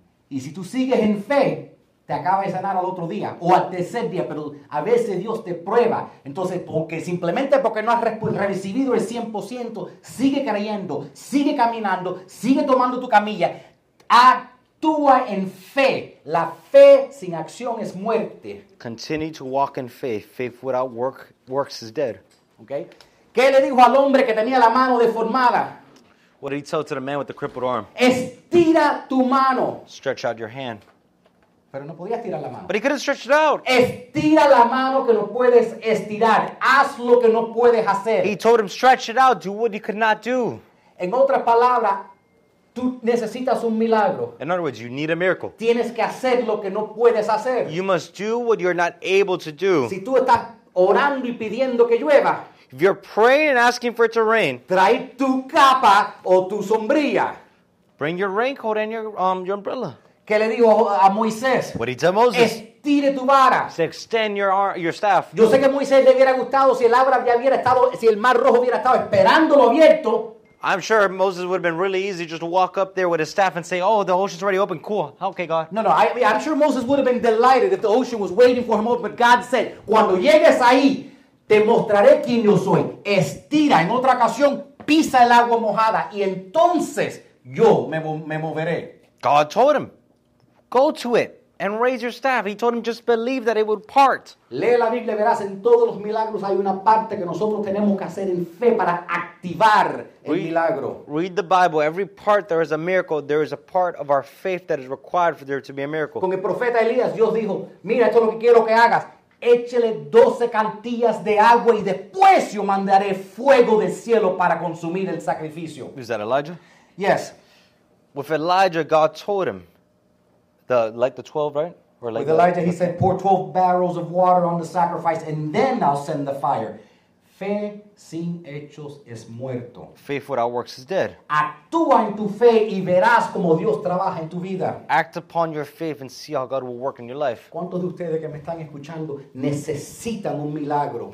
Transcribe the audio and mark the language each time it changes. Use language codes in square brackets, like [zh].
[es] Y si tú sigues en fe, te acaba de sanar al otro día o al tercer día, pero a veces Dios te prueba. Entonces, porque simplemente porque no has recibido el 100%, sigue creyendo, sigue caminando, sigue tomando tu camilla. Actúa en fe. La fe sin acción es muerte. [en] Continue to walk in faith. Faith without works is dead. Okay. [es] ¿Qué le dijo al hombre que tenía la mano deformada? [en] What did he tell to the man with the crippled arm? [es] Estira tu mano. [en] Stretch out your hand. [es] Pero no podía estirar la mano. [en] But he couldn't stretch it out. [es] Estira la mano que no puedes estirar. Haz lo que no puedes hacer. [en] He told him, stretch it out. Do what you could not do. [es] En otras palabras, tú necesitas un milagro. [en] In other words, you need a miracle. [es] Tienes que hacer lo que no puedes hacer. [en] You must do what you're not able to do. [es] Si tú estás orando y pidiendo que llueva, [en] if you're praying and asking for it to rain, [es] trae tu capa o tu sombrilla. [en] Bring your raincoat and your umbrella. [es] ¿Qué le dijo a Moisés? [en] What he told Moses? [es] Estire tu vara. [en] So extend your staff. [es] Yo sé que Moisés le hubiera gustado si el mar rojo hubiera estado esperándolo abierto. [en] I'm sure Moses would have been really easy just to walk up there with his staff and say, "Oh, the ocean's already open. Cool. Okay, God." No, I'm sure Moses would have been delighted if the ocean was waiting for him open. But God said, [es] "Cuando llegues ahí, te mostraré quién yo soy. Estira. En otra ocasión, pisa el agua mojada y entonces yo me moveré." [en] God told him, go to it and raise your staff. He told him, just believe that it would part. [es] Lee la Biblia, verás, en todos los milagros hay una parte que nosotros tenemos que hacer en fe para activar el milagro. [en] Read the Bible. Every part there is a miracle. There is a part of our faith that is required for there to be a miracle. [es] Con el profeta Elías, Dios dijo, mira, esto es lo que quiero que hagas. Échele 12 cantillas de agua y después yo mandaré fuego del cielo para consumir el sacrificio. [en] Is that Elijah? Yes. With Elijah, God told him, The 12, right? Or like with Elijah, he said, pour 12 barrels of water on the sacrifice, and then I'll send the fire. [es] Fe sin hechos es muerto. [en] Faith without works is dead. [es] Actúa en tu fe y verás cómo Dios trabaja en tu vida. [en] Act upon your faith and see how God will work in your life. [es] ¿Cuántos de ustedes que me están escuchando necesitan un milagro?